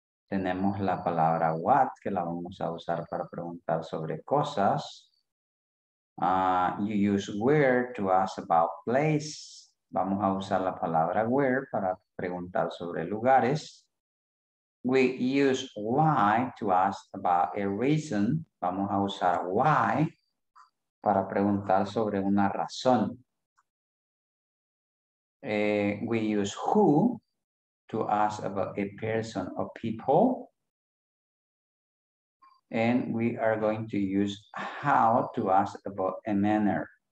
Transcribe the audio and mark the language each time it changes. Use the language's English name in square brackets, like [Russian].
[Spanish] Tenemos la palabra what, que la vamos a usar para preguntar sobre cosas. [English] You use where to ask about place. [Spanish] Vamos a usar la palabra where para preguntar sobre lugares. [English] We use why to ask about a reason. [Spanish] Vamos a usar why para preguntar sobre una razón. [English] We use who to ask about a person or people. And we are going to use how to ask about a manner.